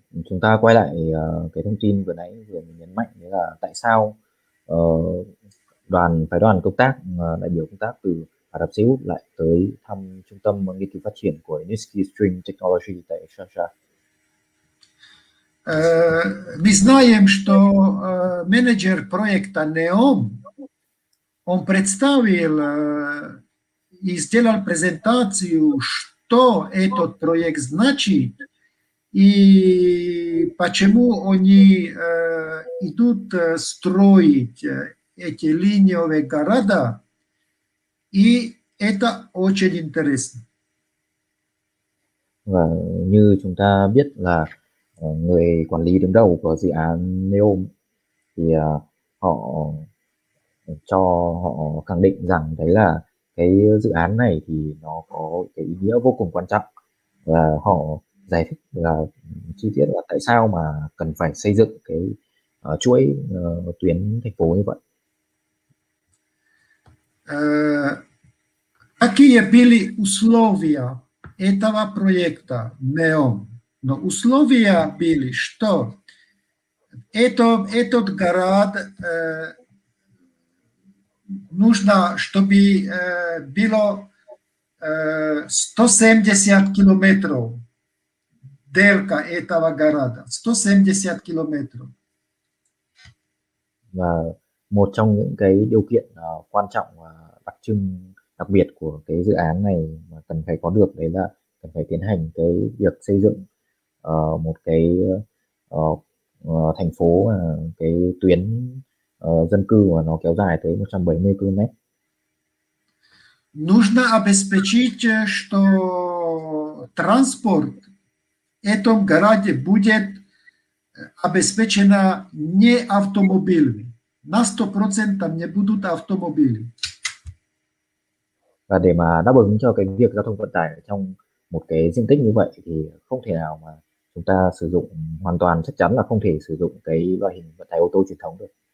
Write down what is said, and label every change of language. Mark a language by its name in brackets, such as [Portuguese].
[Vietnamese] Chúng ta quay lại cái thông tin vừa nãy vừa mình nhấn mạnh là tại sao phái đoàn công tác đại biểu công tác từ Ả Rập Xê Út lại tới thăm trung tâm nghiên cứu phát triển của Unity String Technology tại Sharjah. [Russian] Мы знаем, что менеджер проекта NEOM, он представил и сделал презентацию, что этот проект значит и почему они идут строить эти линейные города, и это очень интересно. [Vietnamese] Và như chúng ta biết là người quản lý đứng đầu của dự án NEOM thì họ khẳng định rằng đấy là cái dự án này thì nó có cái ý nghĩa vô cùng quan trọng, và họ giải thích là chi tiết là tại sao mà cần phải xây dựng cái chuỗi tuyến thành phố như vậy. [Russian] Какие были условия этого проекта NEOM? Но условия были, что этот город нужно, чтобы было 170 километров дельта этого города. 170 километров. [Vietnamese] Và một trong những cái điều kiện quan trọng và đặc trưng đặc biệt của cái dự án này mà cần phải có được đấy là cần phải tiến hành cái việc xây dựng một cái thành phố cái tuyến dân cư mà nó kéo dài tới 170 km. [Russian] Нужно обеспечить, что транспорт в этом городе будет обеспечен не автомобилями. На 100% не будут автомобили. [Vietnamese] Và để mà đáp ứng cho cái việc giao thông vận tải trong một cái diện tích như vậy thì không thể nào mà chúng ta sử dụng hoàn toàn, chắc chắn là không thể sử dụng cái loại hình vận tải ô tô truyền thống được.